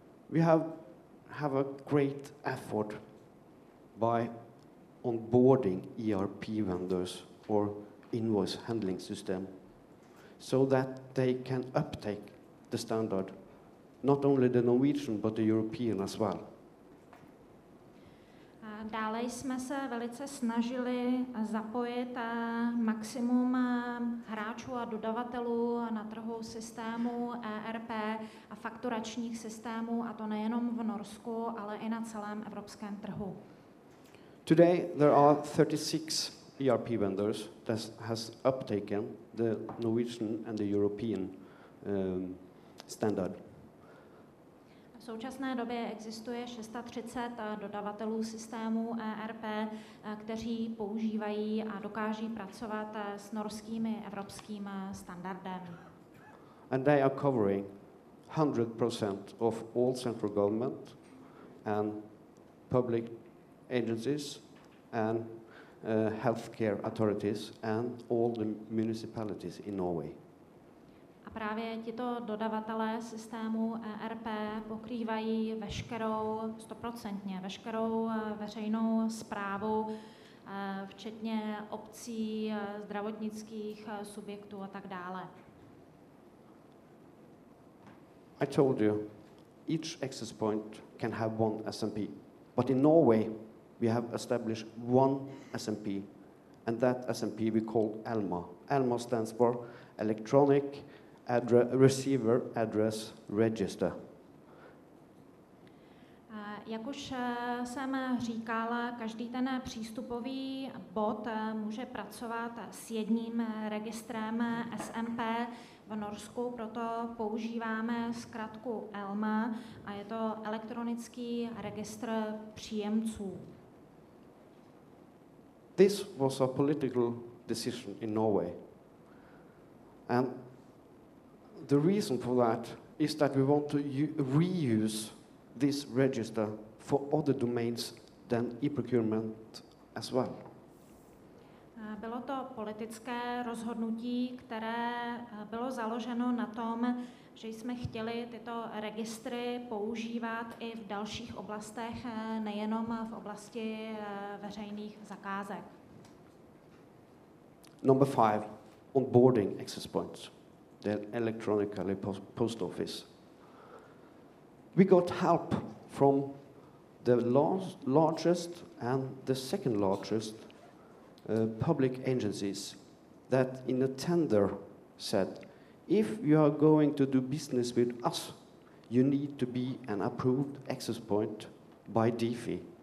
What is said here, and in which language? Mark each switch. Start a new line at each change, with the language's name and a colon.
English: We have a great effort by onboarding ERP vendors or invoice handling system so that they can uptake the standard, not only the Norwegian, but the European as well.
Czech: Dále jsme se velice snažili zapojit maximum hráčů a dodavatelů na trhu systému ERP a fakturačních systémů, a to nejenom v Norsku, ale i na celém evropském trhu.
English: Today there are 36 ERP vendors that has uptaken the Norwegian and the European standard.
Czech: V současné době existuje 630 dodavatelů systému ERP, kteří používají a dokáží pracovat s norským evropským standardem.
English: And they are covering 100% of all central government and public agencies and healthcare authorities and all the municipalities in Norway.
Czech: Právě tito dodavatelé systému ERP pokrývají veškerou, 100%, veškerou veřejnou správu, včetně obcí, zdravotnických subjektů a tak dále.
English: I told you, each access point can have one SMP. But in Norway, we have established one SMP And that SMP we called ELMA. ELMA stands for Electronic Receiver Address Register.
Czech: Jak už jsem říkala, každý ten přístupový bod může pracovat s jedním registrem SMP v Norsku, proto používáme zkratku ELMA a je to elektronický registr příjemců.
English: This was a political decision in Norway. And the reason for that is that we want to reuse this register for other domains than e-procurement as well.
Czech: Bylo to politické rozhodnutí, které bylo založeno na tom, že jsme chtěli tyto registry používat i v dalších oblastech, nejenom v oblasti veřejných zakázek.
English: Number 5, onboarding access points, the electronically post office. We got help from the largest and the second largest public agencies that in a tender said, if you are going to do business with us, you need to be an approved access point by DIFI.